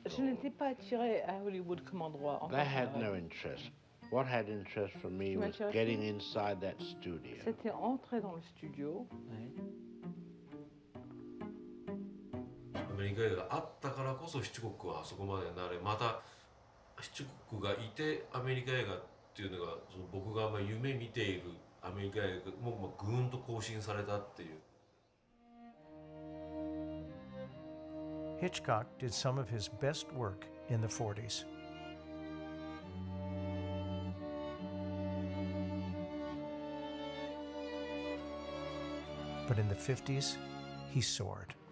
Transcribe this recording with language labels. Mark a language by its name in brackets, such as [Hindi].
[French] Je n'étais pas attiré à Hollywood comme endroit. [English] That had no interest. What had interest for me was getting inside that studio. [French] C'était entrer dans le studio. [Japanese] アメリカ映画があったからこそ、ヒッチコックはあそこまでなれ。また、ヒッチコックがいて、アメリカ映画っていうのが、その僕がまあ夢見ているアメリカ映画もぐんと更新されたっていう。 [English] Hitchcock did some of his best work in the 40s. But in the 50s, he soared.